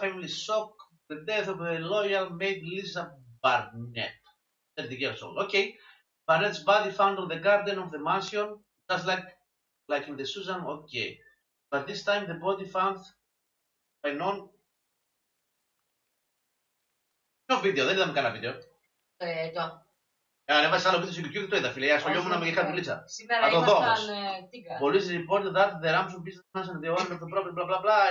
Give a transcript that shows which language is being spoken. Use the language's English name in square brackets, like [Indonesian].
[English] Family shock, the death of a loyal maid, Lisa Barnett. 30 years old, okay. Barnett's body found on the garden of the mansion, just like in the Susan, okay. But this time the body found by non... No video, [Greek] δεν είδαμε κανένα βίντεο. Εδώ. Ανέβασα άλλο βίντεο στο YouTube και το είδα, φίλε. Ασχολιόμουν με κάτι δουλίτσα. Σήμερα είμασταν τίγκα. [English] Police reported that the Ramson business and the owner of the property, blah, blah, blah.